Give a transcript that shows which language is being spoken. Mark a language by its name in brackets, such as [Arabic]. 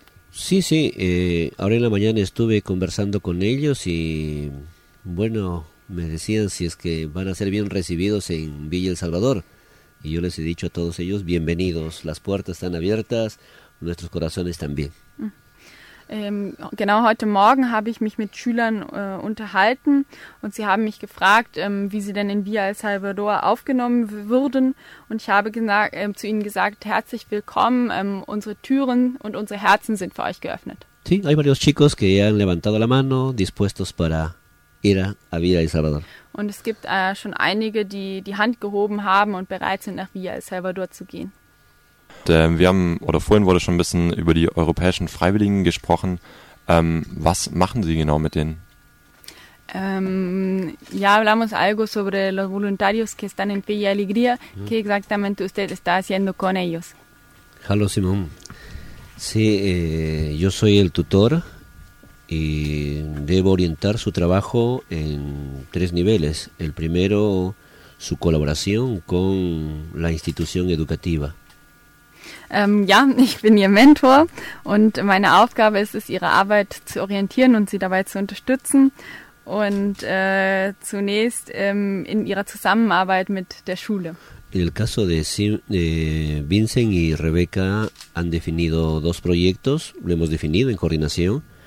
[Spanish] Sí, sí, ahora en la mañana estuve conversando con ellos y bueno, me decían si es que van a ser bien recibidos en Villa El Salvador. Y yo les he dicho a todos ellos, bienvenidos, las puertas están abiertas, nuestros corazones también. [German] Genau heute Morgen habe ich mich mit Schülern unterhalten und sie haben mich gefragt, wie sie denn in Via El Salvador aufgenommen würden. Und ich habe zu ihnen gesagt, herzlich willkommen, unsere Türen und unsere Herzen sind für euch geöffnet. [Spanish] Sí, hay varios chicos que han levantado la mano, dispuestos para ir a Via El Salvador. [German] Und es gibt schon einige, die die Hand gehoben haben und bereit sind, nach Via El Salvador zu gehen. Wir haben, oder vorhin wurde schon ein bisschen über die europäischen Freiwilligen gesprochen. Was machen Sie genau mit denen? [Spanish] Ya hablamos algo sobre los voluntarios que están en Villa Alegría. ¿Qué exactamente usted está haciendo con ellos? Hallo Simón. Sí, yo soy el tutor. Y debo orientar su trabajo en tres niveles. El primero, su colaboración con la institución educativa. [German] Ja, ich bin Ihr Mentor und meine Aufgabe ist es, Ihre Arbeit zu orientieren und Sie dabei zu unterstützen. Und zunächst in Ihrer Zusammenarbeit mit der Schule. [Spanish] En el caso de Vincent y Rebeca han definido dos proyectos, lo hemos definido en coordinación.